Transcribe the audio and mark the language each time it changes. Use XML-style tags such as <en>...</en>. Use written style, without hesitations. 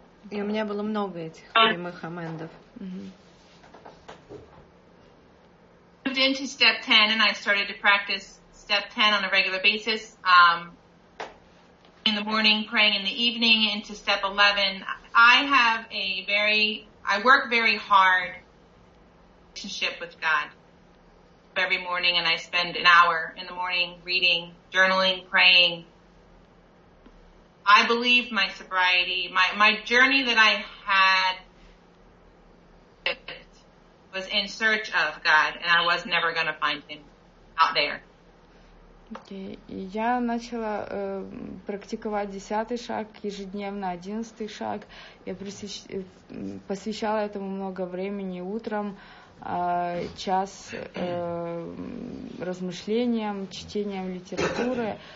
<ru>И у меня было много этих прямых амендов. Mm-hmm.</ru> <en>Moved into step 10, and I started to practice step 10 on a regular basis, in the morning, praying in the evening, into step 11. I work very hard relationship with God every morning, and I spend an hour in the morning reading, journaling, praying. I believe my sobriety, my journey that I had was in search of God, and I was never going to find him out there. Okay.</en> <ru>Я начала практиковать десятый шаг ежедневно, одиннадцатый шаг. Я посвящала этому много времени утром, час размышлениям, чтением литературы.</ru>